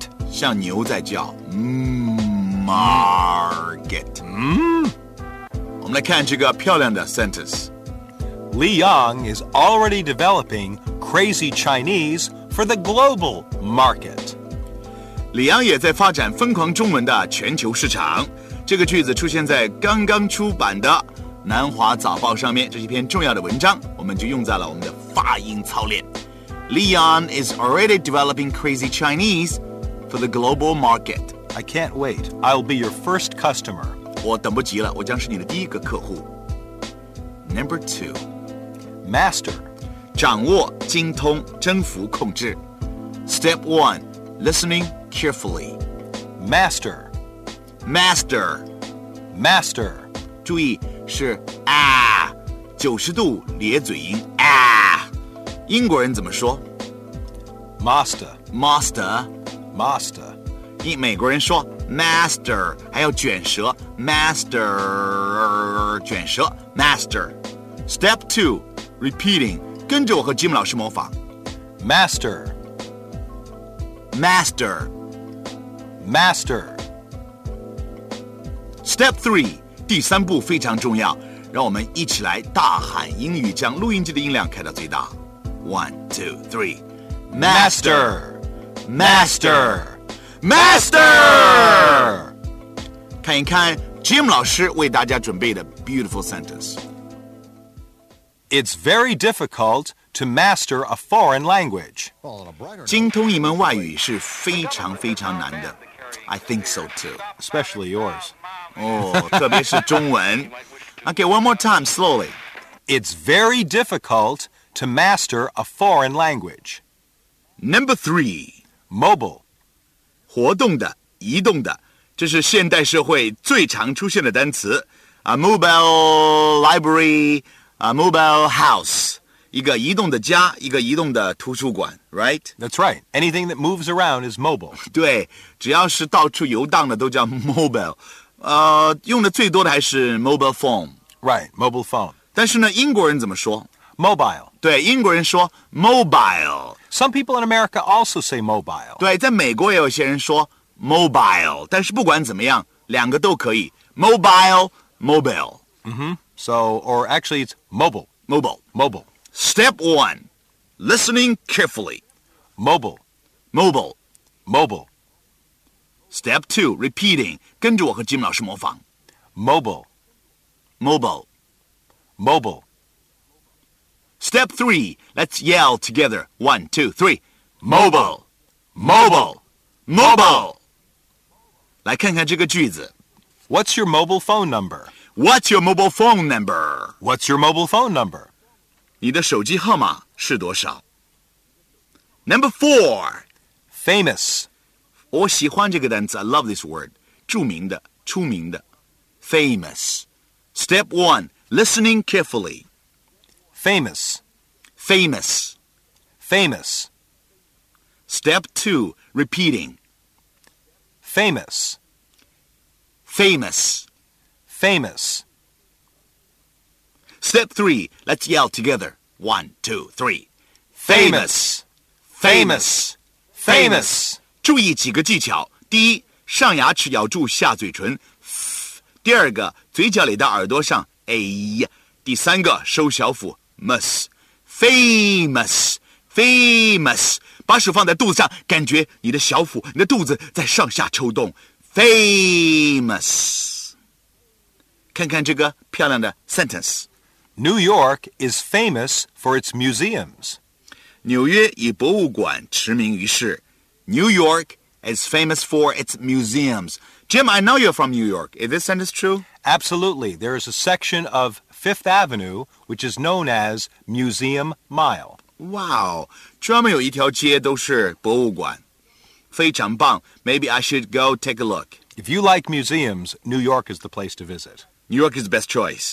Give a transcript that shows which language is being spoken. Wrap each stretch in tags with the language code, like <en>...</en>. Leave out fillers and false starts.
<zh>像牛在叫。Market. 我们来看这个漂亮的 sentence。</zh> <en>Li Yang is already developing crazy Chinese for the global market.</en> <zh>Li Yang 也在发展疯狂中文的全球市场。这个句子出现在刚刚出版的《南华早报》上面，这是一篇重要的文章，我们就用在了我们的发音操练。</zh> <en>Li Yang is already developing crazy Chinese for the global market. I can't wait. I'll be your first customer.</en> <zh>我等不及了，我将是你的第一个客户。</zh> <en>Number two. Master,</en> <zh>掌握、精通、征服、控制。</zh> <en>Step one, listening carefully. Master, master, master.</en> <zh>注意是啊，九十度咧嘴音啊。英国人怎么说</zh> <en>？Master, master, master.</en> <zh>美国人说 master， 还要卷舌 ，master 卷舌 ，master. Step two. Repeating, 跟着我和 Jim 老师模仿</zh> <en>Master Master Master</en> <zh>Step 3, 第三步非常重要，让我们一起来大喊英语，将录音机的音量开到最大。</zh> <en>One, two, three. Master Master Master,</en> <zh>Master! 看一看 Jim 老师为大家准备的 beautiful sentence</zh> <en>It's very difficult to master a foreign language.</en> <zh>精通一门外语是非常非常难的。</zh> <en>I think so too. Especially yours.</en> <zh>特别是中文。</zh> <en>Okay, one more time, slowly. It's very difficult to master a foreign language. Number three. Mobile.</en> <zh>活动的、移动的，这是现代社会最常出现的单词。 A mobile library... A mobile house, 一个移动的家，一个移动的图书馆 right?</zh> <en>That's right. Anything that moves around is mobile.</en> <zh>对，只要是到处游荡的都叫 mobile. 用的最多的还是 mobile phone.</zh> <en>Right, mobile phone.</en> <zh>但是呢，英国人怎么说</zh> <en>？Mobile.</en> <zh>对，英国人说 mobile.</zh> <en>Some people in America also say mobile.</en> <zh>对，在美国也有些人说 mobile. 但是不管怎么样，两个都可以 mobile, mobile. Mm-hmm.</zh> <en>So, or actually it's mobile. Mobile. Mobile. Step one, listening carefully. Mobile. Mobile. Mobile. Step two, repeating.</en> <zh>跟着我和 Jim 老师模仿。</zh> <en>Mobile. Mobile. Mobile. Step three, let's yell together. One, two, three. Mobile. Mobile. Mobile. Mobile. 来看看这个句子。 What's your mobile phone number? What's your mobile phone number? What's your mobile phone number?</en> <zh>你的手机号码是多少 ？ Number four,</zh> <en>famous.</en> <zh>我喜欢这个单词 I love this word. 著名的，出名的 ，famous.</zh> <en>Step one, listening carefully. Famous, famous, famous. Step two, repeating. Famous, famous. Famous. Step three. Let's yell together. One, two, three. Famous. Famous. Famous. Famous.</en> <zh>注意几个技巧。第一，上牙齿咬住下嘴唇。第二个，嘴角里的耳朵上。第三个，收小腹。 Famous. Famous.</zh> <en>Famous.</en> <zh>把手放在肚子上，感觉你的小腹、你的肚子在上下抽动。 Famous. 看看这个漂亮的 sentence.</zh> <en>New York is famous for its museums.</en> <zh>纽约以博物馆驰名于世。</zh> <en>New York is famous for its museums. Jim, I know you're from New York. Is this sentence true? Absolutely. There is a section of Fifth Avenue which is known as Museum Mile. Wow.</en> <zh>专门有一条街都是博物馆。非常棒。</zh> <en>Maybe I should go take a look. If you like museums, New York is the place to visit. New York is the best choice.</en>